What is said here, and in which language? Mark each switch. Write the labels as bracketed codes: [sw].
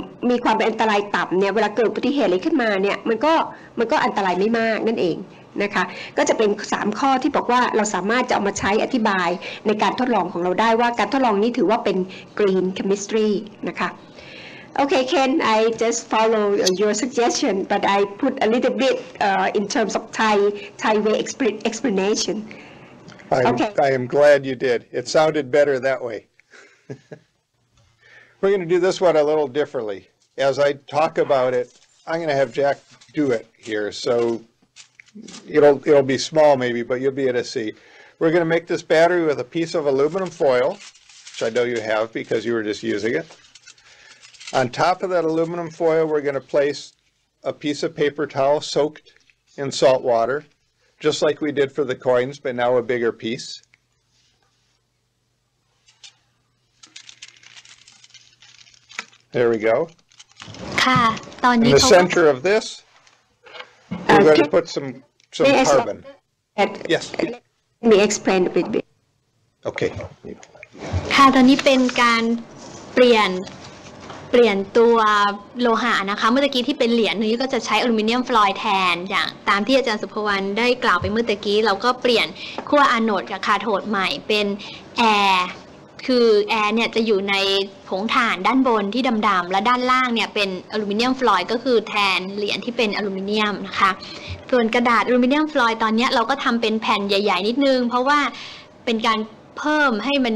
[th] มีความเป็นอันตรายต่ำเนี่ยเวลาเกิดอุบัติเหตุอะไรขึ้นมาเนี่ยมันก็อันตรายไม่มากนั่นเองนะคะก็จะเป็น3ข้อที่บอกว่าเราสามารถจะเอามาใช้อธิบายในการทดลองของเราได้ว่าการทดลองนี้ถือว่าเป็น green chemistry นะคะ Okay, Ken, I just follow your suggestion, but I put a little bit in terms of Thai way explanation. [en] I am glad you did. It sounded better that way. We're going to do this one a little differently. As I talk about it, I'm going to have Jack do it here. So it'll be small maybe, but you'll be able to see. We're going to make this battery with a piece of aluminum foil, which I know you have because you were just using it. On top of that aluminum foil, we're going to place a piece of paper towel soaked in salt water, just like we did for the coins, but now a bigger piece. There we go. In the center of this, we're going to put some carbon. Yes. Let me explain a bit. Okay. [th] ค่ะ ตอนนี้เป็นการเปลี่ยนตัวโลหะนะคะเมื่อกี้ที่เป็นเหรียญนี้ก็จะใช้อลูมิเนียมฟลอยด์แทนอย่างตามที่อาจารย์สุภวรรณได้กล่าวไปเมื่อกี้เราก็เปลี่ยนขั้วอานอดกับคาโทดใหม่เป็นแอร์คือแอร์เนี่ยจะอยู่ในผงถ่านด้านบนที่ดำๆและด้านล่างเนี่ยเป็นอลูมิเนียมฟลอยด์ก็คือแทนเหรียญที่เป็นอลูมิเนียมนะคะส่วนกระดาษอลูมิเนียมฟลอยด์ตอนนี้เราก็ทำเป็นแผ่นใหญ่ๆนิดนึงเพราะว่าเป็นการเพิ่มให้